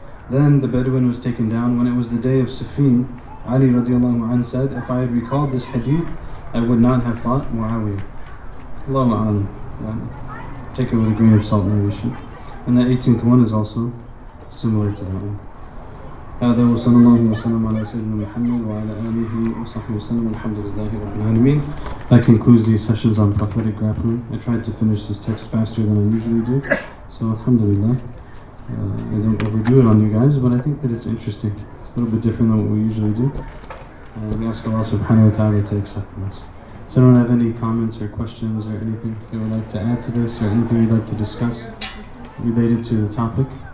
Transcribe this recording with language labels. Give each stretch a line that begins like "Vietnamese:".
English: Then the Bedouin was taken down. When it was the day of Siffin, Ali radiallahu anhu said, if I had recalled this hadith, I would not have fought Muawiyah. Allahumma an, take it with a grain of salt narration. And the 18th one is also similar to that one.
Arabic: هذا وصلى الله وسلم على سيدنا محمد وعلى آله وصحبه وسلم الحمد لله رب العالمين.
English: That concludes these sessions on prophetic grappling. I tried to finish this text faster than I usually do, so alhamdulillah. I don't overdo it on you guys, but I think that it's interesting. It's a little bit different than what we usually do. We ask Allah subhanahu wa ta'ala to accept from us. Does anyone have any comments or questions or anything they would like to add to this, or anything you'd like to discuss related to the topic?